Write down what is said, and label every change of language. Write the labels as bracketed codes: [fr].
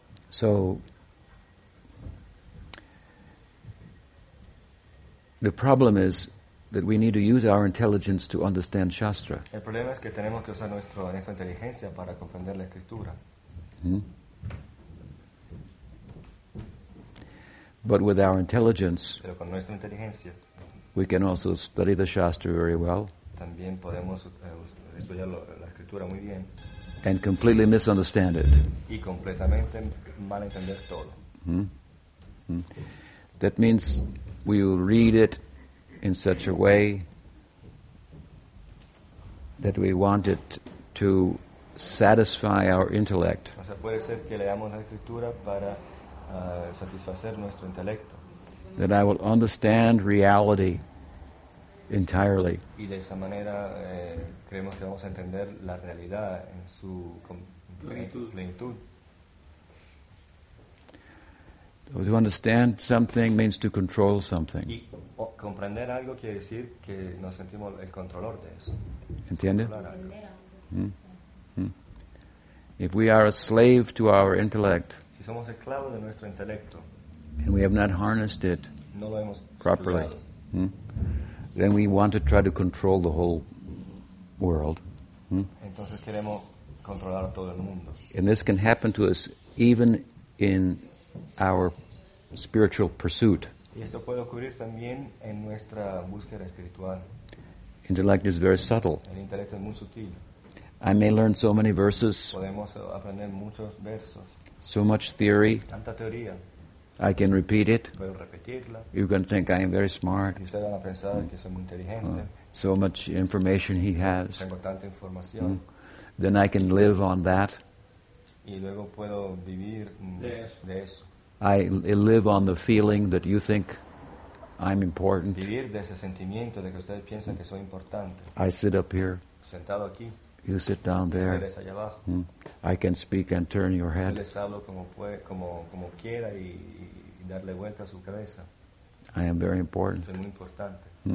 [en] So, the problem is that we need to use our intelligence to understand Shastra. [es] El problema es que tenemos que usar nuestra inteligencia para comprender la escritura. [en] But with our intelligence, [es] pero con nuestra inteligencia, [en] we can also study the Shastra very well. [es] También podemos estudiar la escritura muy bien. [en] And completely misunderstand it. [es] Y completamente malentender todo. [en] That means we will read it in such a way that we want it to satisfy our intellect. [es] O sea, puede ser que leamos la escritura para satisfacer nuestro intelecto. [en] That I will understand reality entirely. [es] Y de esa manera creemos que vamos a entender la realidad en su plenitud. [en] To understand something means to control something. [es] Comprender algo quiere decir que nos sentimos el controlador de eso. ¿Entiende? [en] If we are a slave to our intellect, [es] si somos esclavos de nuestro intelecto, [en] and we have not harnessed it [es] no lo hemos [en] properly, then we want to try to control the whole world. [es] Entonces queremos controlar todo el mundo. [en] And this can happen to us even in our spiritual pursuit. [es] Y esto puede ocurrir también en nuestra búsqueda espiritual. [en] Intellect is very subtle. [es] El intelecto es muy sutil. [en] I may learn so many verses. [es] Podemos aprender muchos versos. [en] So much theory. [es] Tanta teoría. [en] I can repeat it. [es] Puedo repetirla. [en] You're going to think I am very smart. [es] Y ustedes van a pensar que soy muy inteligente. [en] So much information he has. [es] Tengo tanta información. [en] Then I can live on that. [es] Y luego puedo vivir de eso. [en] I live on the feeling that you think I'm important. [es] Vivir de ese sentimiento de que ustedes piensan que soy importante. [en] I sit up here. [es] Sentado aquí. [en] You sit down there. [es] Ustedes allá abajo. [en] I can speak and turn your head. [es] Les hablo como puede, como quiera y darle vuelta a su cabeza. [en] I am very important. [es] Soy muy importante.